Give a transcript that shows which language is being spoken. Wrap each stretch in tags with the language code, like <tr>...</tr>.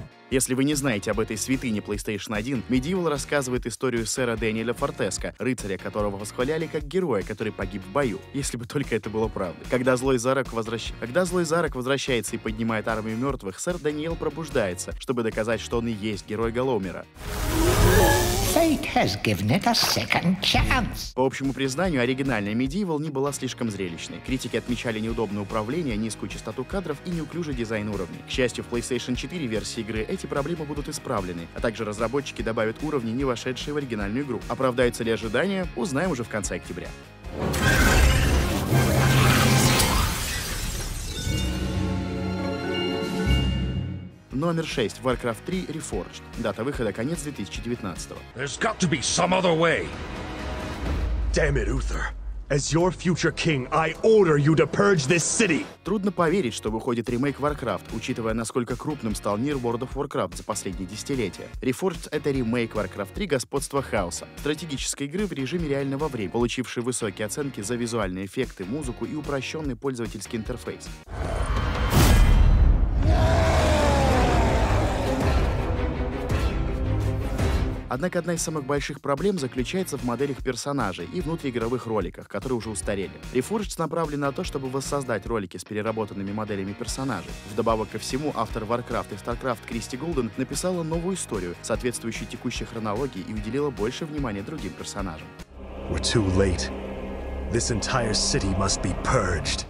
<ru>Если вы не знаете об этой святыне PlayStation 1, Medieval рассказывает историю сэра Дэниэля Фортеско, рыцаря, которого восхваляли как героя, который погиб в бою. Если бы только это было правдой. Когда злой Зарок возвращается и поднимает армию мертвых, сэр Дэниэл пробуждается, чтобы доказать, что он и есть герой Галлоумера.</ru> <en>Fate has given it a second chance.</en> <ru>По общему признанию, оригинальная Medieval не была слишком зрелищной. Критики отмечали неудобное управление, низкую частоту кадров и неуклюжий дизайн уровней. К счастью, в PlayStation 4 версии игры эти проблемы будут исправлены, а также разработчики добавят уровни, не вошедшие в оригинальную игру. Оправдаются ли ожидания, узнаем уже в конце октября. Номер 6. Warcraft 3 Reforged. Дата выхода – конец 2019-го.</ru> <en>There's got to be some other way. Damn it, Uther. As your future king, I order you to purge this city.</en> <ru>Трудно поверить, что выходит ремейк Warcraft, учитывая, насколько крупным стал мир World of Warcraft за последние десятилетия. Reforged — это ремейк Warcraft 3 «Господство хаоса», стратегической игры в режиме реального времени, получившей высокие оценки за визуальные эффекты, музыку и упрощенный пользовательский интерфейс. Однако одна из самых больших проблем заключается в моделях персонажей и внутриигровых роликах, которые уже устарели. Reforged направлен на то, чтобы воссоздать ролики с переработанными моделями персонажей. Вдобавок ко всему, автор Warcraft и StarCraft Кристи Голден написала новую историю, соответствующую текущей хронологии, и уделила больше внимания другим персонажам.</ru> <en>We're too late. This entire city must be purged.</en>